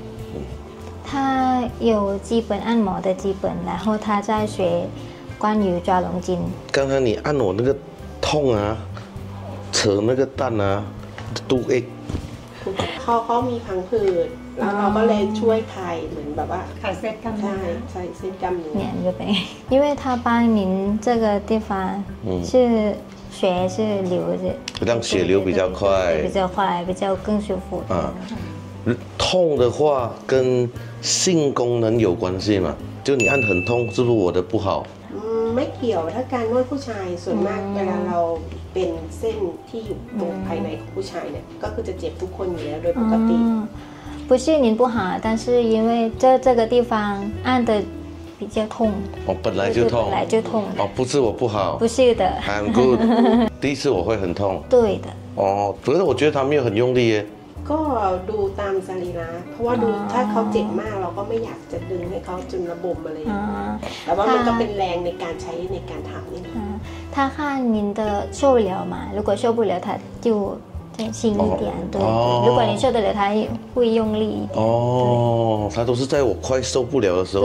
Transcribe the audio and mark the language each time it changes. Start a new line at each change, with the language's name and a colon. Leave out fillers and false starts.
Chinese: ถ้า有基本按摩的基本然后他在学关于抓龙筋刚才你按我那个痛啊扯那个蛋啊肚子
Thai: เขามีพังผืดแล้วเราก็เลยช่วยไทยเหมือนแบบว่า ขาดเส้นกล้ามเนื้อใช่ใช่เส้นกล้ามเนื้อ เนี่ยอยู่ไป
Chinese: 因为他帮您这个地方是血是流着让血流比较快比较快比较更舒服啊痛的话跟性功能有关系吗就你按很痛是不是我的不好
Thai: ไม่เกี่ยวถ้าการนวดผู้ชายส่วนมากเวลาเราเป็นเส้นที่อยู่ตรงภายในของผู้ชายเนี่ยก็คือจะเจ็บทุกคนอยู่แล้วโดยปกติ
Chinese: 不是您不好但是因为这个地方按的比较痛哦本来就痛本来就痛哦不是我不好不是的
English: I'm good
Chinese: 第一次我会很痛对的哦可是我觉得他没有很用力耶
Thai: ก็ดูตามสรีระเพราะว่าดูถ้าเขาเจ็บมากเราก็ไม่อยากจะดึงให้เขาจนระบมอะไรแต่ว่ามันก็เป็นแรงในการใช้ในการทำนี่
Chinese: 他看您的受了吗如果受不了他就轻一点，对。如果你受得了，他会用力。哦，他都是在我快受不了的时候